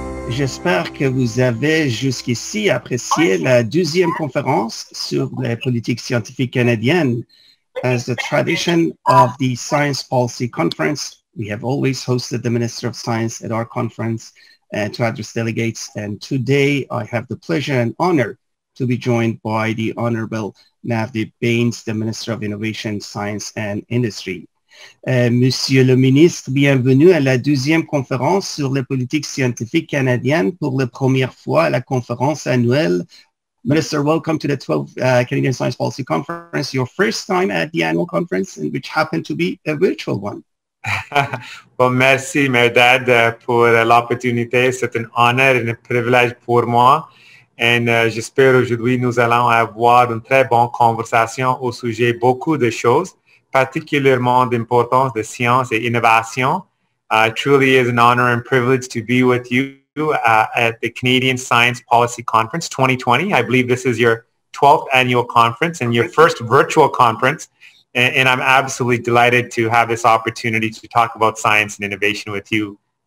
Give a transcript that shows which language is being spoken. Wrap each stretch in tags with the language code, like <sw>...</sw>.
<fr>J'espère que vous avez jusqu'ici apprécié la deuxième conférence sur les politiques scientifiques canadiennes.</fr> <en>As the tradition of the Science Policy Conference, we have always hosted the Minister of Science at our conference to address delegates. And today I have the pleasure and honor to be joined by the Honourable Navdeep Bains, the Minister of Innovation, Science and Industry.</en> <fr>Monsieur le ministre, bienvenue à la deuxième conférence sur les politiques scientifiques canadiennes pour la première fois à la conférence annuelle.</fr> <en>Minister, welcome to the 12th Canadian Science Policy Conference, your first time at the annual conference, which happened to be a virtual one.</en> <fr>Well, merci, Mehrdad, pour l'opportunité. C'est un honneur et un privilège pour moi. Et j'espère aujourd'hui nous allons avoir une très bonne conversation au sujet beaucoup de choses, particulièrement d'importance de science et innovation.</fr> <en>It truly is an honor and privilege to be with you at the Canadian Science Policy Conference 2020. I believe this is your 12th annual conference and your first virtual conference. And I'm absolutely delighted to have this opportunity to talk about science and innovation with you.</en>